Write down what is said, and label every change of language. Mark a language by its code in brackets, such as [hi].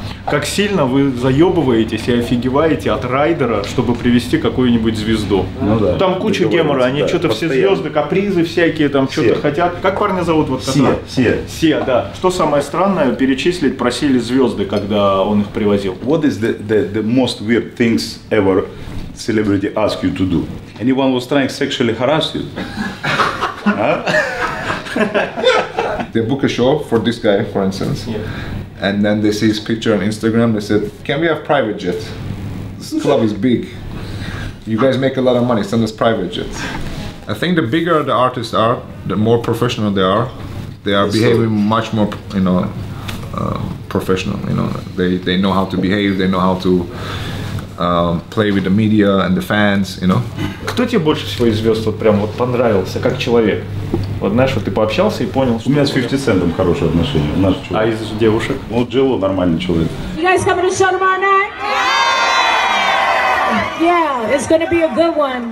[ru] Как сильно вы заебываетесь и офигеваете от райдера, чтобы привести какую-нибудь звезду. Ну, да. Там куча гемора, они да, что-то постоянно. Все звезды, капризы всякие там все. Что-то хотят. Как парня зовут? Вот Се. Се. Се, да. Что самое странное, перечислить просили звезды, когда он их привозил. [en] What is the most weird things ever celebrity ask you to do? Anyone was trying sexually harass you? They book a show for this guy, for instance. Yeah. And then they see his picture on Instagram, they said, can we have private jet? This club is big. You guys make a lot of money, send us private jets. I think the bigger the artists are, the more professional they are behaving much more, you know, professional, you know. They know how to behave, they know how to play with the media and the fans, you know. [ru] Кто тебе больше всего из звезд вот прям вот понравился, как человек? Вот знаешь, вот ты пообщался и понял, что... У меня с 50 Cent'ом хорошее отношение, наш человек. А из девушек? Ну, Джилло нормальный человек. [en] You guys coming to Sean Monet? Yeah, it's gonna be a good one.